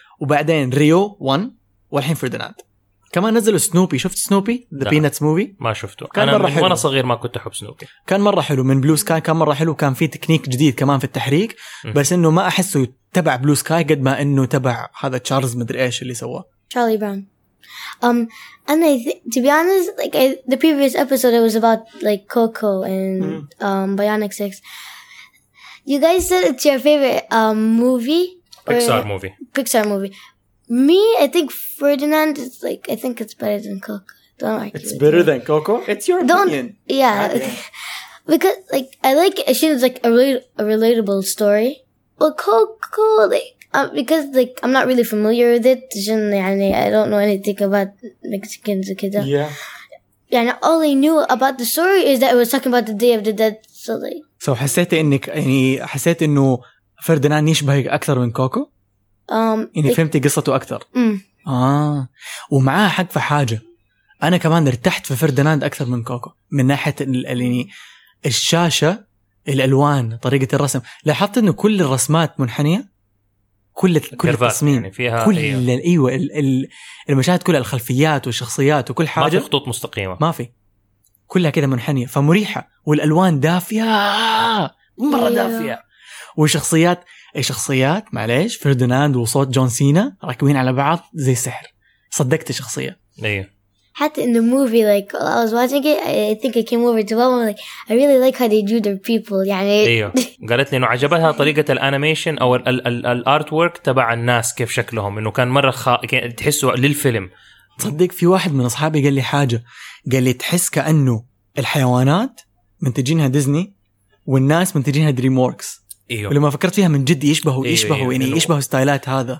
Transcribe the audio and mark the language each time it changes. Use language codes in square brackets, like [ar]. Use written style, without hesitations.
[ar] وبعدين ريو 1 والحين فيرديناند كمان نزلوا سنوبي. شفت سنوبي The Peanuts Movie؟ ما شفته كان أنا مرة حلو. وأنا صغير ما كنت أحب سنوبي كان مرة حلو من بلو سكاي كان مرة حلو كان فيه تكنيك جديد كمان في التحريك بس أنه ما أحسه تبع بلو سكاي قد ما أنه تبع هذا تشارلز مدري إيش اللي سوى تشارلي براون. [en] And I to be honest, like the previous episode it was about like Coco and Bionic 6. You guys said it's your favorite movie? Pixar movie. Pixar movie. Me, I think Ferdinand is like, I think it's better than Coco. Don't argue. It's better than Coco? It's your opinion. Yeah. Because, like, I like it. She's like a relatable story. But Coco, like, because, like, I'm not really familiar with it. I don't know anything about Mexicans. Yeah. Yeah, and all I knew about the story is that it was talking about the Day of the Dead. So, like, [ar] سو حسيت انك يعني حسيت انه فيرديناند يشبهك اكثر من كوكو يعني فهمتي قصته اكثر ومعاه حق في حاجه انا كمان ارتحت في فيرديناند اكثر من كوكو من ناحيه يعني الشاشه الالوان طريقه الرسم لاحظت انه كل الرسمات منحنيه كل التصميم يعني فيها كل ايوه المشاهد كلها الخلفيات والشخصيات وكل حاجه ما في خطوط مستقيمه ما في كلها كده منحنية فمريحة والألوان دافية مرة دافية وشخصيات الشخصيات معليش فيرديناند وصوت جون سينا راكبين على بعض زي سحر صدقت الشخصية حتى [en] in the movie like while I was watching it I think I came over to mom like I really like how they drew their people [ar] يعني قالت لي إنه عجبتها طريقة الأنيميشن أو الأرت وورك تبع الناس كيف شكلهم إنه كان مرة تحسوا للفيلم تصدق في واحد من أصحابي قال لي حاجة قال لي تحس كأنه الحيوانات منتجينها ديزني والناس منتجينها دريم ووركس ولما فكرت فيها من جد يشبهوا يعني يشبهوا ستايلات هذا